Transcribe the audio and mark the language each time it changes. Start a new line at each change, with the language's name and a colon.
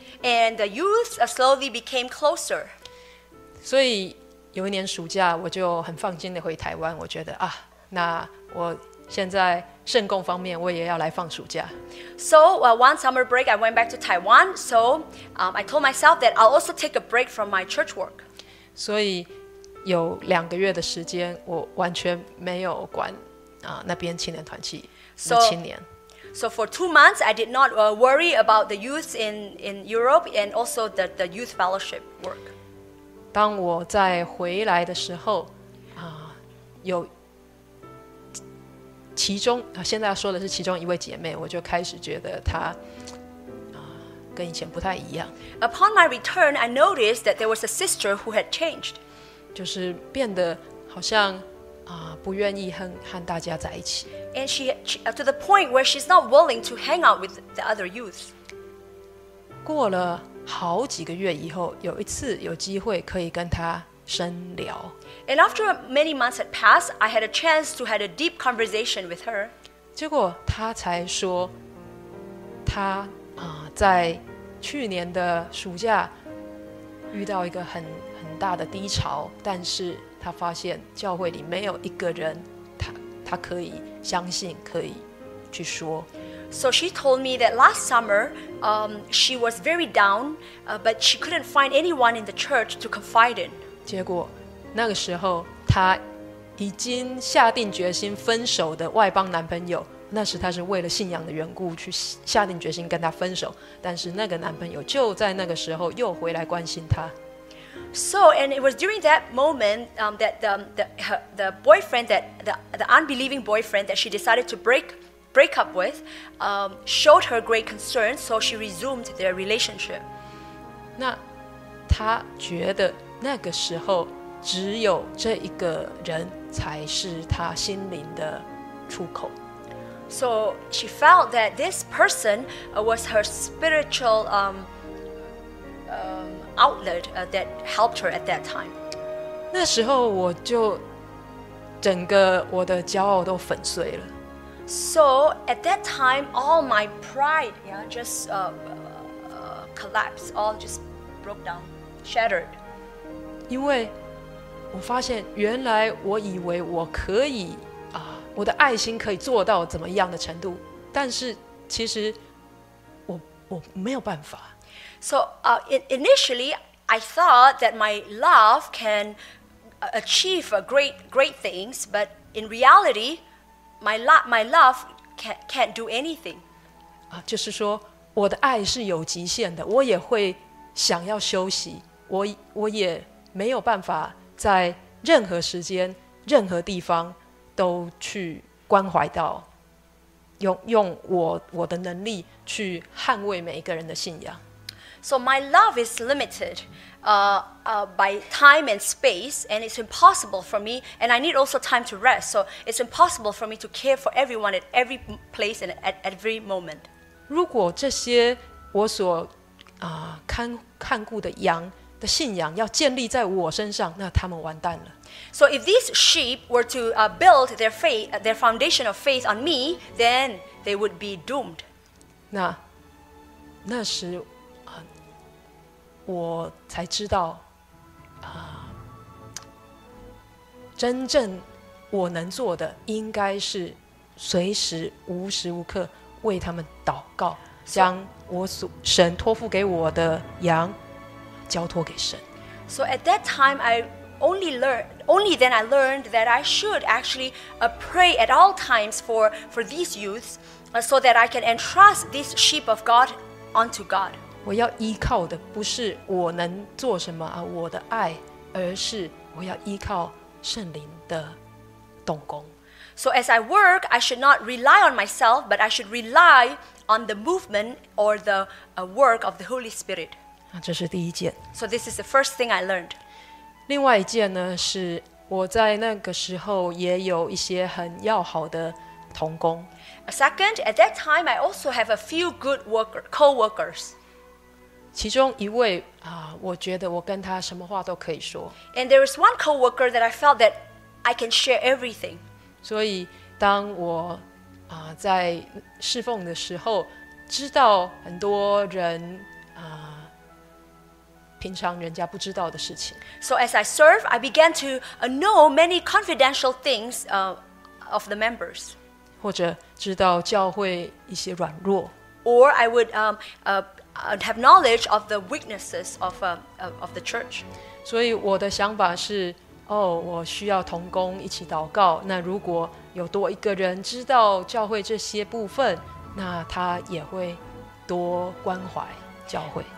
English: And the youth slowly became closer.
Chinese: 所以有一年暑假我就很放心的回台湾，我觉得啊，那我现在圣共方面我也要来放暑假。
English: So one summer break I went back to Taiwan. So I told myself that I'll also take a break from my church work.
Chinese: 所以有两个月的时间我完全没有管那边青年团契那青年。
English: So for 2 months I did not worry about the youth in Europe and also the youth fellowship work.
Chinese: 当我在回来的时候有其中现在说的是其中一位姐妹，我就开始觉得她跟以前不太一样。
English: Upon my return I noticed that there was a sister who had changed.
Chinese: 就是变得好像不愿意 和大家在一起。
English: And she to the point where she's not willing to hang out with the other youth.
Chinese: 过了好几个月以后，有一次有机会可以跟她深聊。
English: And after many months had passed, I had a chance to have a deep conversation with her.
Chinese: 结果她才说她在去年的暑假遇到一个很大的低潮，但是他发现教会里没有一个人他可以相信，可以去说。
English: So she told me that last summer she was very down but she couldn't find anyone in the church to confide in.
Chinese: 结果那个时候他已经下定决心分手的外邦男朋友，那时他是为了信仰的缘故去下定决心跟他分手，但是那个男朋友就在那个时候又回来关心他。
English: So, and it was during that moment that the boyfriend, that the unbelieving boyfriend that she decided to break up with showed her great concern, so she resumed their relationship.
Chinese: 那她觉得那个时候只有这一个人才是她心灵的出口。
English: So she felt that this person was her spiritual outlet that helped her at that time.
Chinese: 那时候我就整个我的骄傲都粉碎了。
English: So at that time all my pride just collapsed, all just broke down, shattered.
Chinese: 因为我发现原来我以为我可以我的爱心可以做到怎么样的程度，但是其实我没有办法。
English: So initially, I thought that my love can achieve great things, but in reality, my love can't do anything.
Chinese: 就是说，我的爱是有极限的，我也会想要休息，我也没有办法在任何时间、任何地方都去关怀到，用我的能力去捍卫每一个人的信仰。
English: So my love is limited by time and space, and it's impossible for me, and I need also time to rest, so it's impossible for me to care for everyone at every place and at every moment.
Chinese: 如果这些我所看顾的羊的信仰要建立在我身上，那他们完蛋了。
English: So if these sheep were to build their faith, their foundation of faith on me, then they would be doomed.
Chinese: 那时我才知道真正我能做的应该是随时无时无刻为他们祷告，将神托付给我的羊交托给神。
English: So at that time I Then I learned that I should actually pray at all times for these youths, so that I can entrust this sheep of God unto God.
Chinese: 我要依靠的不是我能做什么啊，我的爱，而是我要依靠圣灵的动工。
English: So as I work, I should not rely on myself, but I should rely on the movement or the work of the Holy Spirit.
Chinese: 这是第一件。
English: So this is the first thing I learned.
Chinese: 另外一件呢，是我在那个时候也有一些很要好的同工。
English: A second, at that time, I also have a few good co-workers.
Chinese: 其中一位啊，我觉得我跟他什么话都可以说。
English: And there is one co-worker that I felt that I can share everything.
Chinese: 所以当我、在侍奉的时候知道很多人、平常人家不知道的事情。
English: So as I serve, I began to know many confidential things of the members.
Chinese: 或者知道教会一些软弱。
English: Or I would have knowledge of the weaknesses of the church.
Chinese: 所以我的想法是我需要同工一起祷告，那如果有多一个人知道教会这些部分，那他也会多关怀教会。